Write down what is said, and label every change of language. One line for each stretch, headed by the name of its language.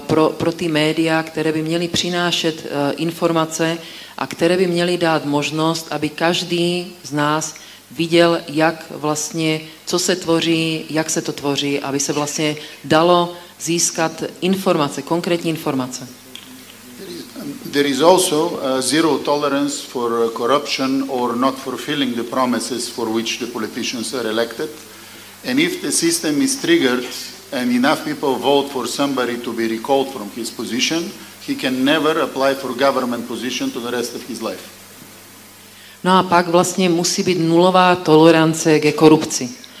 Czech: pro ty média, které by měly přinášet informace a které by měly dát možnost, aby každý z nás viděl, jak vlastně, co se tvoří, jak se to tvoří, aby se vlastně dalo získat informace, konkrétní informace.
English: There is also a zero tolerance for corruption or not fulfilling the promises for which the politicians are elected. And if the system is triggered and enough people vote for somebody to be recalled from his position, he can never apply for government position to the rest of his life.
Czech: No a pak vlastně musí být nulová tolerance ke korupci.